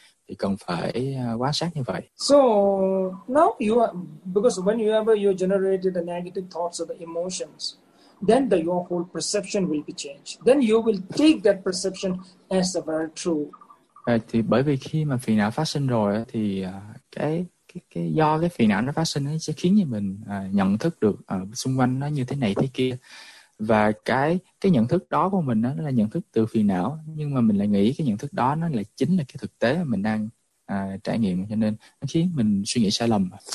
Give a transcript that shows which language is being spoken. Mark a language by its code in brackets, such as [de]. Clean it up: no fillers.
[vi] Thì cần phải quan sát như vậy. [en] So now you are, because whenever you generated the negative thoughts or the emotions, then your whole perception will be changed. Then you will take that perception as a very true. [vi] Thì bởi vì khi mà phiền não phát sinh rồi thì cái do cái phiền não nó phát sinh ấy sẽ khiến cho mình nhận thức được xung quanh nó như thế này thế kia. Và cái nhận thức đó của mình đó, nó là nhận thức từ phiền não, nhưng mà mình lại nghĩ cái nhận thức đó nó lại chính là cái thực tế mà mình đang trải nghiệm, cho nên nó khiến mình suy nghĩ sai lầm.